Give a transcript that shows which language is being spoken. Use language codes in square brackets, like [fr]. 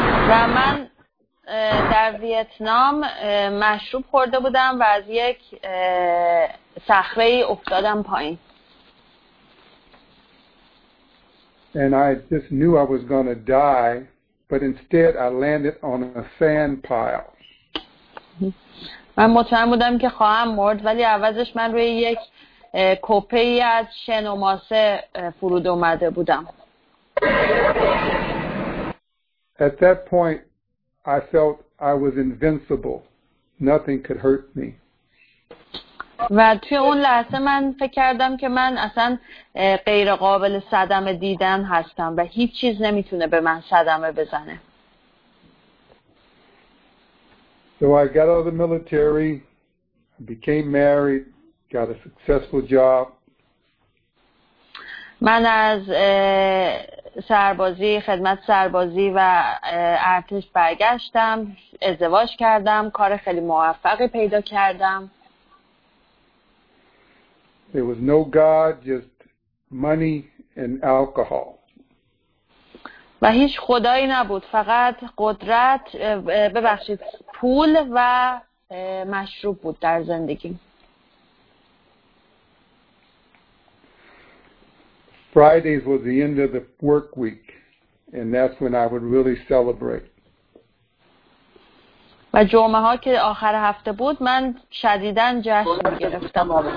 [fa] و من در ویتنام مشروب خورده بودم و از یک صخره افتادم پایین. [en] And I just knew I was going to die, but instead I landed on a sand pile. [fa] من مطمئن بودم که خواهم مرد ولی عوضش من روی یک کوپه ای از شن و ماسه فرود اومده بودم. [en] At that point, I felt I was invincible. Nothing could hurt me. [fa] و توی اون لحظه من فکر کردم که من اصلا غیر قابل صدمه دیدن هستم و هیچ چیز نمیتونه به من صدمه بزنه. [en] So I got out of the military, became married, got a successful job. [fa] من از سربازی خدمت سربازی و ارتش برگشتم ازدواج کردم کار خیلی موفقی پیدا کردم. [en] There was no God, just money and alcohol. [fa] و هیچ خدایی نبود فقط قدرت ببخشید پول و مشروب بود در زندگی. [en] Fridays was the end of the work week, and that's when I would really celebrate. [fa] و جمعه ها که آخر هفته بود من شدیداً جشن گرفتم.